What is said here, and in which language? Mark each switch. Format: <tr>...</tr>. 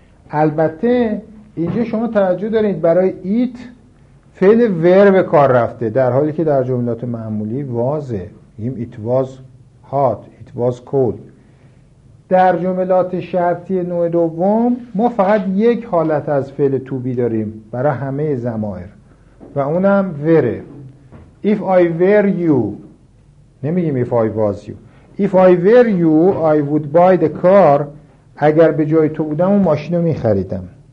<fa>البته اینجا شما توجه دارید برای eat فعل were به کار رفته, در حالی که در جملات معمولی وازه.</fa> <en>It was hot, it was cold.</en> <fa>در جملات شرطی نوع دوم ما فقط یک حالت از فعل to be داریم برای همه ضمایر و اونم were.</fa> <en>If I were you,</en> <fa>نمیگیم</fa> <en>if I was you. If I were you, I would buy the car.</en> <fa>اگر به جای تو بودم اون ماشین رو میخریدم.</fa>